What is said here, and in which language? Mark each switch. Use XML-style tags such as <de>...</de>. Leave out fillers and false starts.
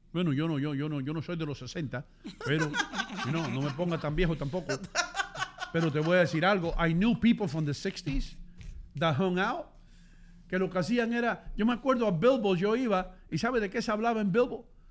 <es>Bueno, yo no soy de los 60, pero no me ponga tan viejo tampoco. Pero te voy a decir algo.</es> <en>I knew people from the 60s that hung out.</en> <es>Que lo que hacían era, yo me acuerdo a Bilbo, yo iba, ¿y sabe de qué se hablaba en Bilbo?</es>